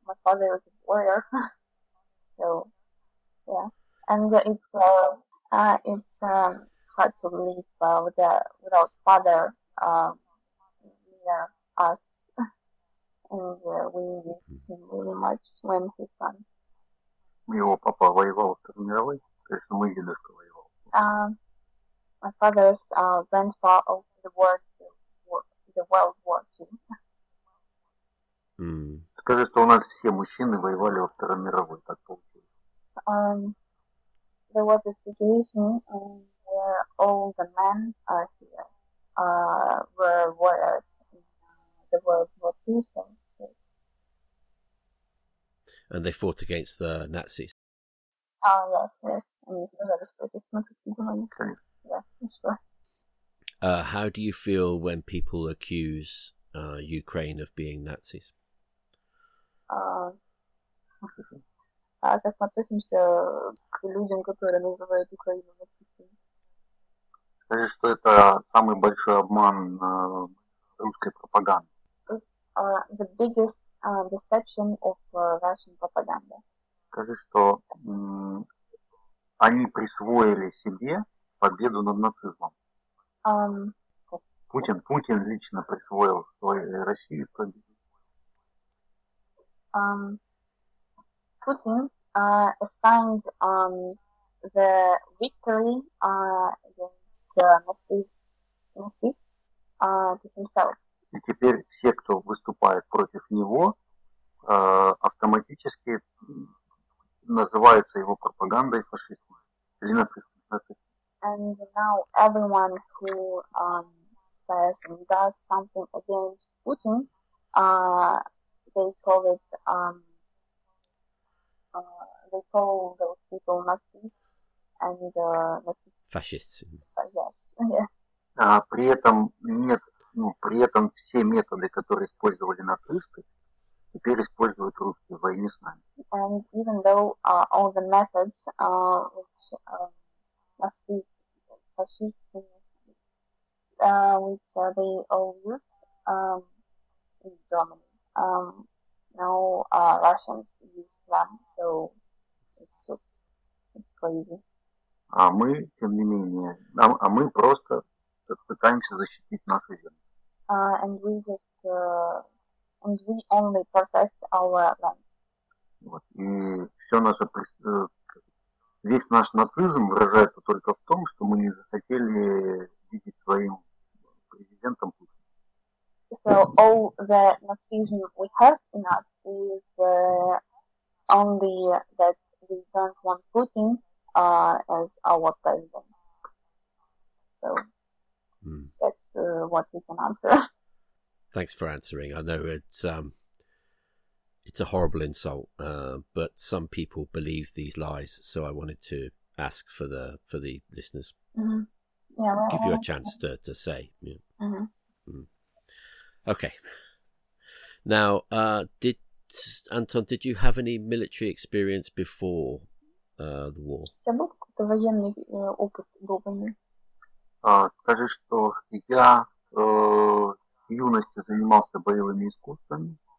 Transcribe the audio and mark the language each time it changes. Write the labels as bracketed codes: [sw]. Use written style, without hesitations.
[en] My father is a warrior, so yeah. And it's hard to live without father near us, and we miss him really much when he's gone. My papa [ru] воевал в Первой мировой, то есть мой дедушка воевал. [en] My father's grandpa of the World War II. [ru] Скажи, что у нас все мужчины воевали во Второй мировой, так получилось. [en] There was a situation where all the men are here were warriors in the World War II. So. And they fought against the Nazis. Yes. And it's very specific. Yeah, sure. How do you feel when people accuse Ukraine of being Nazis? [ru] Как написано, что к людям, которые называют Украину нацистами? Скажи, что это самый большой обман русской пропаганды. [en] It's the biggest deception of Russian propaganda. [ru] Скажи, что они присвоили себе победу над нацизмом. Путин лично присвоил своей России победу. [en] Путин assigned the victory against nazis to himself. [ru] И теперь все, кто выступает против него, автоматически называются его пропагандой фашистами или нацистами. [en] And now everyone who says person does something against Putin, they call it, they call those people Nazis and fascists. Yes. [ru] При этом нет, ну, при этом все методы, которые использовали нацисты, теперь используют русские в войне с нами. [en] And even though all the methods which fascists, which they all used in Germany, now Russians use them, so it's crazy. [ru] А мы, тем не менее, а мы просто пытаемся защитить нашу землю. [en] And we just and we only protect our land. [ru] Вот. И все наше весь наш нацизм выражается только в том, что мы не захотели видеть своим президентом Путина. [en] So all the Nazism we have in us is only that we don't want Putin as our president. So that's what we can answer. Thanks for answering. I know it's a horrible insult, but some people believe these lies. So I wanted to ask for the listeners, mm-hmm. yeah, well, give you a chance to say. Yeah. Mm-hmm. Mm. Okay. Now, did you have any military experience before the war? Yeah, but the military [ru] Скажи, что я в юности занимался боевыми искусствами,